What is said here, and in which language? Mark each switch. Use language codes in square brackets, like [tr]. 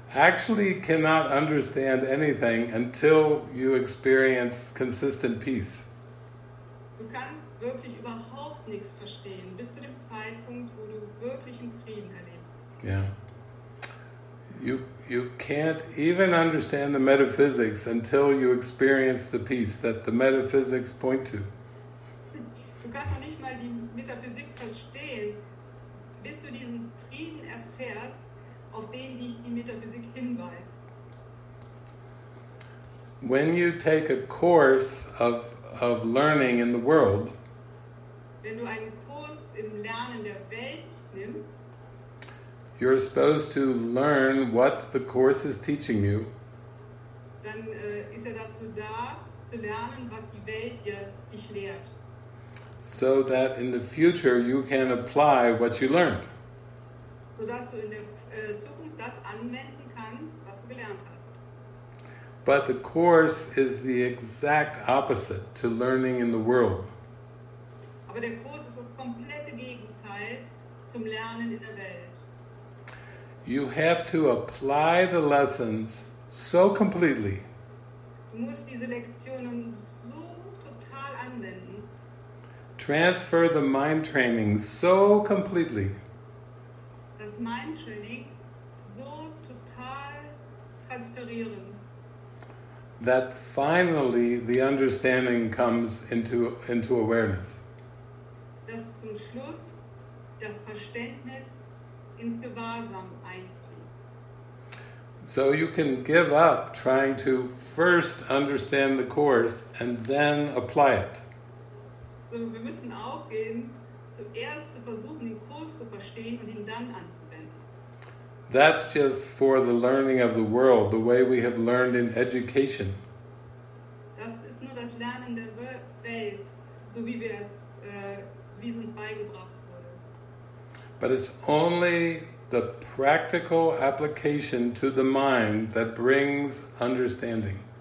[en] actually cannot understand anything until you experience consistent peace. [de] Du kannst wirklich überhaupt nichts verstehen bis zu dem Zeitpunkt, wo du wirklichen Frieden erlebst. [en] Yeah. You can't even understand the metaphysics until you experience the peace that the metaphysics point to. [de] Du kannst noch nicht mal die Metaphysik verstehen, bis du diesen Frieden erfährst, auf den dich die Metaphysik hinweist. [en] When you take a course of learning in the world, [de] wenn du einen Kurs im Lernen der Welt nimmst, [en] you're supposed to learn what the course is teaching you. [de] Dann ist er dazu da, zu lernen, was die Welt dich lehrt. [en] So that in the future you can apply what you learned. [de] So dass du in der Zukunft das anwenden kannst, was du gelernt hast. [en] But the course is the exact opposite to learning in the world. [de] Aber der Kurs ist das komplette Gegenteil zum Lernen in der Welt. [en] You have to apply the lessons so completely. [de] Du musst diese Lektionen so total anwenden. [en] Transfer the mind training so completely. [de] Das Mind Training so total transferieren. [en] That finally the understanding comes into awareness. [de] Dass zum Schluss das Verständnis ins Gewahrsam einfließt. [en] So you can give up trying to first understand the course and then apply it. [de] So wir müssen aufgeben, zuerst zu versuchen, den Kurs zu verstehen und ihn dann anzuwenden. [en] That's just for the learning of the world, the way we have learned in education. [de] Das ist nur das Lernen der Welt, so wie wir es wie es uns beigebracht. [en] But it's only the practical application to the mind that brings understanding.